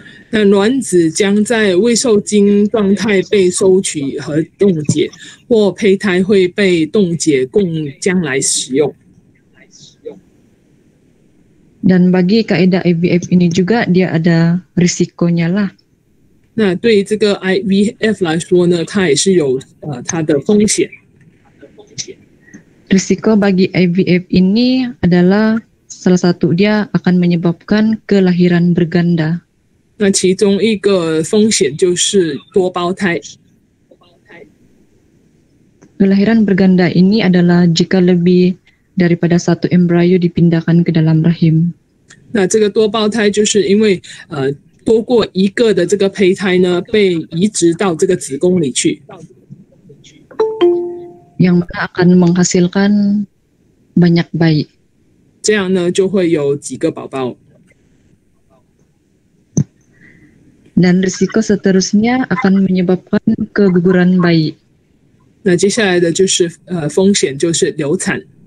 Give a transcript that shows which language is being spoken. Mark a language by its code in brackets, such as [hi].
[zh] 那卵子将在未受精状态被收取和冻结，或胚胎会被冻结供将来使用。 [ms] Dan bagi kaedah IVF ini juga dia ada risikonya lah. [zh] 那对这个 IVF 来说呢，它也是有它的风险。 [ms] Risiko bagi IVF ini adalah salah satu dia akan menyebabkan kelahiran berganda. [zh] 那其中一个风险就是多胞胎。 [ms] Kelahiran berganda ini adalah jika lebih daripada satu embrio dipindahkan ke dalam rahim. [zh] 那这个多胞胎就是因为多过一个的这个胚胎呢被移植到这个子宫里去。 [ms] Yang mana akan menghasilkan banyak bayi. [zh] 这样呢就会有几个宝宝。 [ms] Dan risiko seterusnya akan menyebabkan keguguran bayi. [zh] 那接下来的就是风险就是流产。